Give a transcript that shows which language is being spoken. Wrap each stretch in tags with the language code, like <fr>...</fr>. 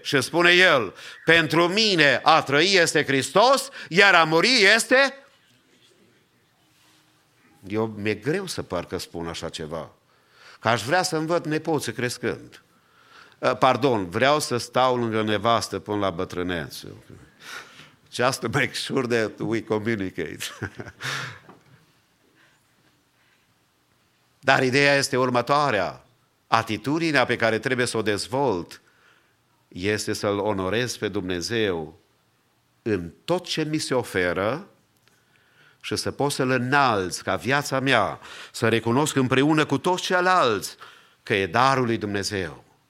<ro>Și spune el, pentru mine a trăi este Hristos, iar a muri este... Eu mi-e greu să parcă spun așa ceva. Că aș vrea să-mi văd nepoții crescând. Pardon, vreau să stau lângă nevastă până la bătrânețe.</ro> <en>Just to make sure that we communicate.</en> <ro>Dar ideea este următoarea. Atitudinea pe care trebuie să o dezvolt este să-L onorez pe Dumnezeu în tot ce mi se oferă și să pot să-L înalț ca viața mea, să recunosc împreună cu toți ceilalți că e darul lui Dumnezeu.</ro>